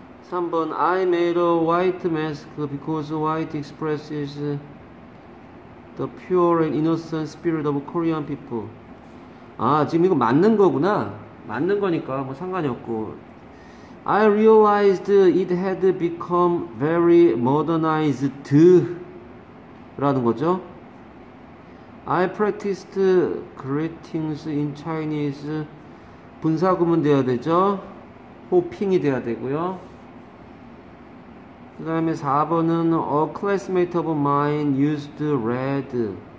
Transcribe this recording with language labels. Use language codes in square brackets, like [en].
[en] 3번 I made a white mask because white expresses the pure and innocent spirit of Korean people. [ko] 아 지금 이거 맞는 거구나. 맞는 거니까 뭐 상관이 없고 [en] I realized it had become very modernized [ko] 라는 거죠. [en] I practiced greetings in Chinese. [ko] 분사구문 돼야 되죠. 호핑이 돼야 되고요. 그 다음에 4번은 [en] A classmate of mine used red.